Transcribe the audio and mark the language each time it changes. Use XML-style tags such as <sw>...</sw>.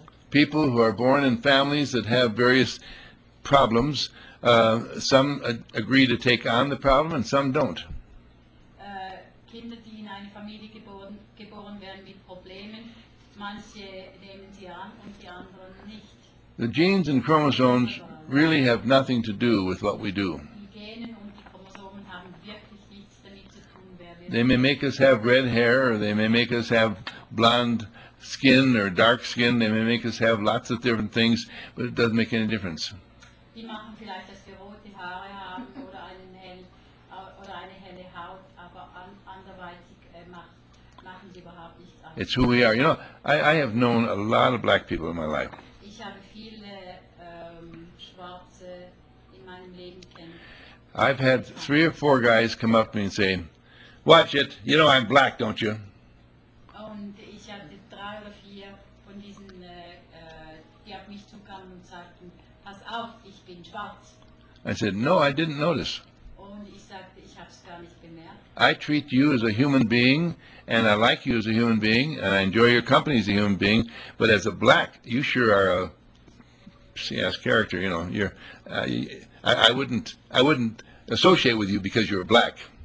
<en>People who are born in families that have various problems, some agree to take on the problem and some don't.</en> <de>Kinder, die in eine Familie geboren werden mit Problemen, manche nehmen sie an und die anderen nicht.</de> <en>The genes and chromosomes really have nothing to do with what we do.</en> <de>Die Gene und die Chromosomen haben wirklich nichts damit zu tun, wer wir.</de> <en>They may make us have red hair, or they may make us have blonde skin or dark skin, they may make us have lots of different things, but it doesn't make any difference.</en> <de>Die machen vielleicht, dass wir rote Haare haben oder eine helle Haut, aber anderweitig machen sie überhaupt nichts anderes.</de> <en>It's who we are. You know, I have known a lot of black people in my life.</en> <de>Ich habe viele Schwarze in meinem Leben kennengelernt.</de> <en>I've had three or four guys come up to me and say, "Watch it, you know I'm black, don't you?"</en> <de>Und ich hatte drei oder vier von diesen, die auf mich zukamen und sagten, "Pass auf, ich bin schwarz."</de> <en>I said, "No, I didn't notice."</en> <de>Und ich sagte, ich hab's gar nicht gemerkt.</de> <en>I treat you as a human being, and I like you as a human being, and I enjoy your company as a human being, but as a black, you sure are a CS character, you know. You're, I wouldn't associate with you because you're black.</en>